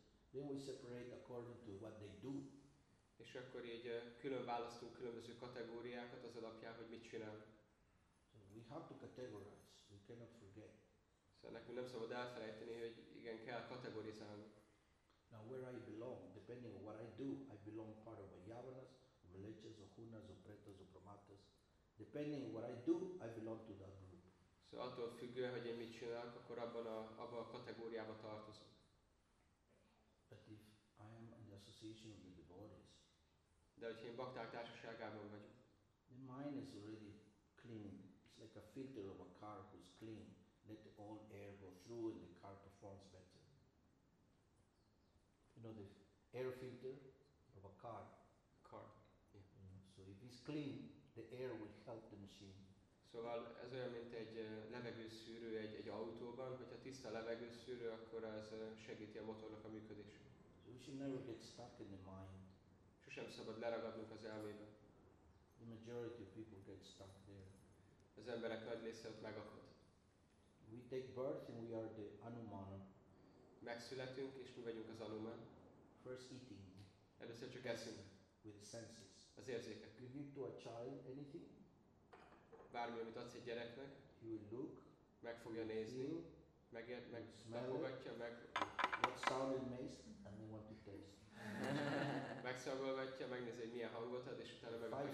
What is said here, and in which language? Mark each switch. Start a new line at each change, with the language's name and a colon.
English: Then we separate according to what they do.
Hungarian: És akkor így külön választunk különböző kategóriákat az alapján, hogy mit csinál.
English: So we have to categorize, we cannot forget.
Hungarian: Szóval nekünk nem szabad elfelejteni, hogy igen, kell kategorizálni.
English: Now where I belong, depending on what I do, I belong part of a yavanas, of a leches, of hunas, of pretas, of promatas. Depending on what I do, I belong to that group.
Hungarian: Szóval attól függően, hogy én mit csinálok, akkor abban a kategóriában tartozom.
English: But if I am in the association of the devotees.
Hungarian: De hogyha én bakták társaságában vagyok.
English: The mind is already clean. It's like a filter of a car who's clean. Let all air go through and the car performs better. You know the air filter of a car? Car, yeah. So if it's clean, the air will help the machine.
Hungarian: Szóval ez olyan, mint egy levegőszűrő egy autóban. Hogyha tiszta levegőszűrő, akkor ez segíti a motornak a működését.
English: We should never get stuck in the mind.
Hungarian: Sosem szabad leragadnunk az elmébe.
English: The majority of people get stuck there.
Hungarian: Az emberek nagy része ott megakad.
English: We take birth and we are the anumana.
Hungarian: Megszületünk és mi vagyunk az anumán.
English: First eating.
Hungarian: Először csak eszünk.
English: With the senses.
Hungarian: Az érzékek.
English: Give to a child anything?
Hungarian: bármi, amit adsz egy gyereknek,
English: he will look,
Hungarian: meg fogja nézni, megért, meg megfogadja, meg
English: what sound it makes and then what it tastes.
Hungarian: Megszagolgatja, megnézi, hogy milyen hangot ad, és utána meg akar